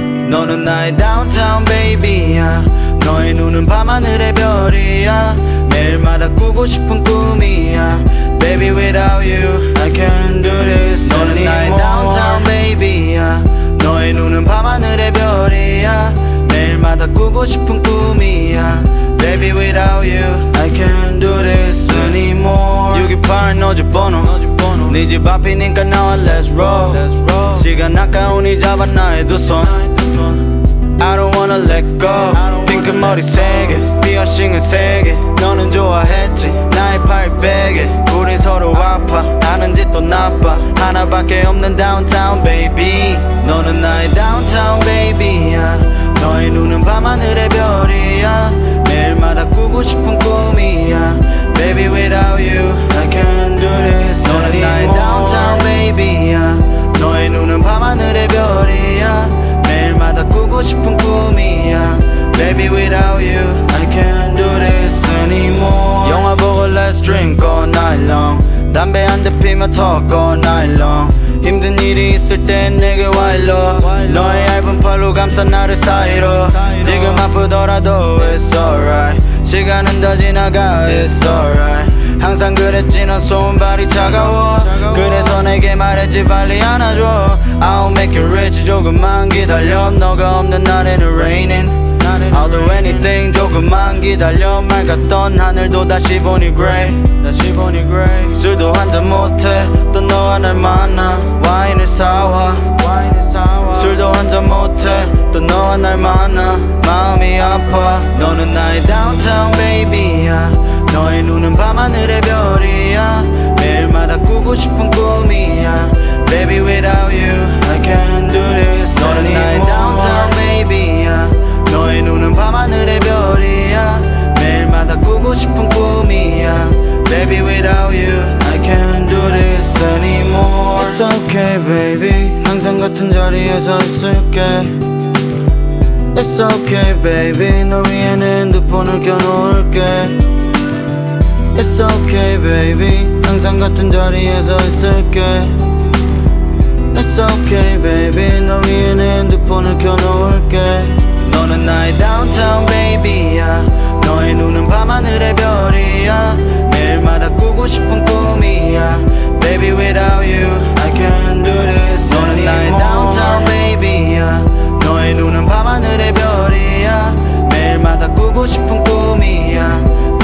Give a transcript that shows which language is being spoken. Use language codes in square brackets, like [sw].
[ko] 너는 나의 [en] downtown baby [ko] 야. 너의 눈은 밤하늘의 별이야. 매일마다 꾸고 싶은 꿈이야. [en] Baby without you I can't do this. [ko] 너는 나의 [en] downtown baby [ko] 야. 너의 눈은 밤하늘의 별이야. 매일마다 꾸고 싶은 꿈이야. [en] Baby without you I can't do this anymore. [ko] 6.28 너집 번호, 네 집 앞이니까 나와 [en] let's roll. [ko] 시간 아까우니 잡아 나의 두 손. [en] I don't wanna let go. [ko] 핑크 머리 세게 피어싱은 세게 너는 좋아했지. 나의 팔 베개 우린 서로 아파 아는 짓도 나빠. 하나밖에 없는 [en] downtown baby. [ko] 너는 나의 downtown baby야. 너의 눈은 밤하늘의 별이야. 매일마다 꾸고 싶은 꿈이야. [en] Baby without you I can't do this. [ko] 너는 나의 [en] downtown baby [ko] 야. 너의 눈은 밤하늘의 별이야. 매일마다 꾸고 싶은 꿈이야. [en] Baby without you I can't do this anymore. [ko] 영화 보고 [en] let's drink all night long. [ko] 담배 한 대 피며 [en] talk all night long. [ko] 힘든 일이 있을 땐 내게 와일러. 너의 얇은 팔로 감싸 나를 사이로. 지금 아프더라도 [en] it's alright. [ko] 시간은 다 지나가 [en] it's alright. [ko] 항상 그랬지 넌 손발이 차가워. 그래서 내게 말했지 빨리 안아줘. [en] I'll make you rich [ko] 조금만 기다려. 너가 없는 날에는 [en] raining. I'll do anything [ko] 조금만 기다려. 맑았던 하늘도 다시 보니 [en] grey. [ko] 술도 한잔 못해 또 너와 날 만나. 와인을 사와 술도 한잔 못해 또 너와 날 만나. 마음이 아파. 너는 나의 [en] downtown baby [ko] 야. 너의 눈은 밤하늘의 별이야. 매일마다 꾸고 싶은 꿈이야. [en] Baby without you I can't do this. [ko] 너는 나의 [en] downtown baby [ko] 야. 너의 눈은 밤하늘의 별이야. 매일마다 꾸고 싶은 꿈이야. [en] Baby without you I can't do this anymore. It's okay baby [ko] 항상 같은 자리에서 있을게. [en] It's okay baby [ko] 널 위한 핸드폰을 켜놓을게. [en] It's okay baby [ko] 항상 같은 자리에서 있을게. [en] It's okay baby [ko] 널 위한 핸드폰을 켜놓을게. 너는 나의 [en] downtown baby [ko] 야. 너의 눈은 밤하늘의 별이야. 매일마다 꾸고 싶은 꿈이야. [en] Baby without you I can't do this. [ko] 너는 나의 [en] downtown baby [ko] 야. 너의 눈은 밤하늘의 별이야. 매일마다 꾸고 싶은 꿈이야.